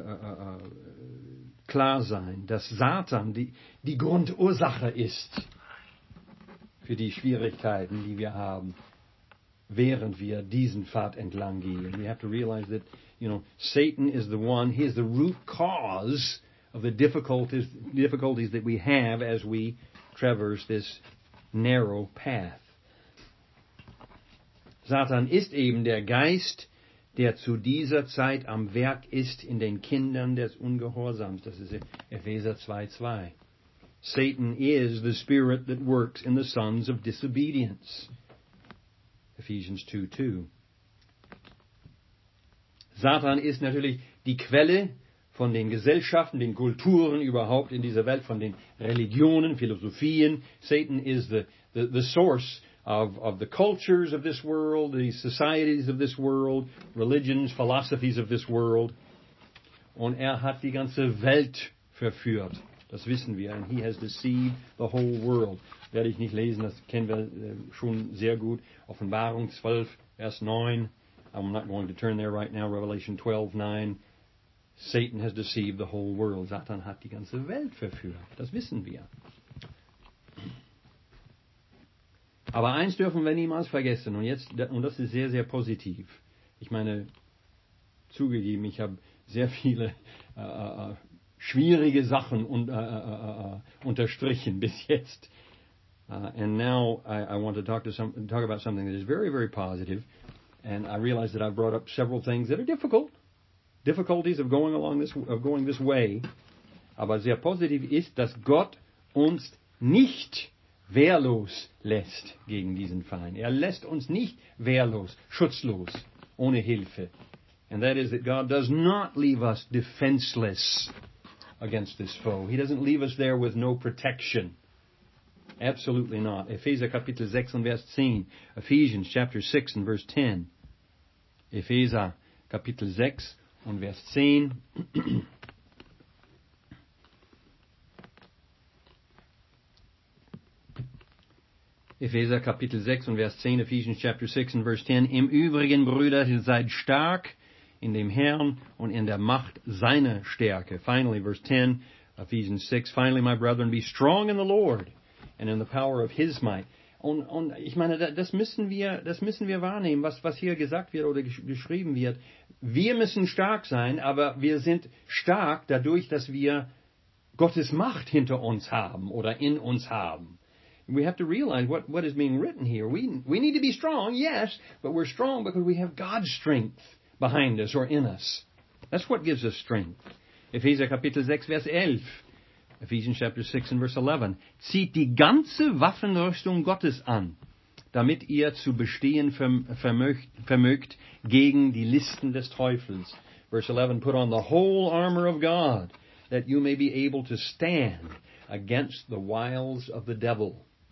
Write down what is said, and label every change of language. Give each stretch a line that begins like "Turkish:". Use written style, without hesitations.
German: Es muss uns klar sein, dass Satan die Grundursache ist für die Schwierigkeiten, die wir haben, während wir diesen Pfad entlang gehen.
English: We have to realize that, you know, Satan is the one, he is the root cause of the difficulties that we have as we traverse this narrow path.
German: Satan ist eben der Geist, der zu dieser Zeit am Werk ist in den Kindern des Ungehorsams. Das ist Epheser 2:2.
English: Satan is the spirit that works in the sons of disobedience. Ephesians 2:2.
German: Satan ist natürlich die Quelle von den Gesellschaften, den Kulturen überhaupt in dieser Welt, von den Religionen, Philosophien.
English: Satan is the source of the cultures of this world, the societies of this world, religions, philosophies of this world.
German: Und er hat die ganze Welt verführt. Das wissen wir.
English: And he has deceived the whole world.
German: Werde ich nicht lesen, das kennen wir schon sehr gut. Offenbarung 12, Vers 9.
English: I'm not going to turn there right now. Revelation 12, 9. Satan has deceived the whole world.
German: Satan hat die ganze Welt verführt. Das wissen wir. Aber eins dürfen wir niemals vergessen, und das ist sehr, sehr positiv. Ich meine, zugegeben, ich habe sehr viele schwierige Sachen unterstrichen bis jetzt.
English: And now I want to talk about something that is very, very positive. And I realize that I've brought up several things that are difficult. Difficulties of going this way.
German: Aber sehr positiv ist, dass Gott uns nicht wehrlos lässt gegen diesen Feind. Er lässt uns nicht wehrlos, schutzlos, ohne Hilfe.
English: And that is that God does not leave us defenseless against this foe. He doesn't leave us there with no protection. Absolutely not.
German: Epheser Kapitel 6 und Vers 10.
English: Ephesians chapter 6 and verse 10.
German: Epheser Kapitel 6 und Vers 10. Epheser Kapitel 6 und Vers 10,
English: Ephesians chapter 6 and verse 10.
German: Im Übrigen, Brüder, seid stark in dem Herrn und in der Macht seiner Stärke.
English: Finally, verse 10, Ephesians 6. Finally, my brethren, be strong in the Lord and in the power of his might.
German: Und ich meine, das müssen wir wahrnehmen, was hier gesagt wird oder geschrieben wird. Wir müssen stark sein, aber wir sind stark dadurch, dass wir Gottes Macht hinter uns haben oder in uns haben.
English: We have to realize what is being written here. We need to be strong, yes, but we're strong because we have God's strength behind us or in us. That's what gives us strength.
German: Epheser Kapitel 6, Vers 11.
English: Ephesians chapter 6 and verse 11.
German: Zieht die ganze Waffenrüstung Gottes an, damit ihr zu bestehen vermögt gegen die Listen des Teufels.
English: Verse 11, put on the whole armor of God, that you may be able to stand against the wiles of the devil.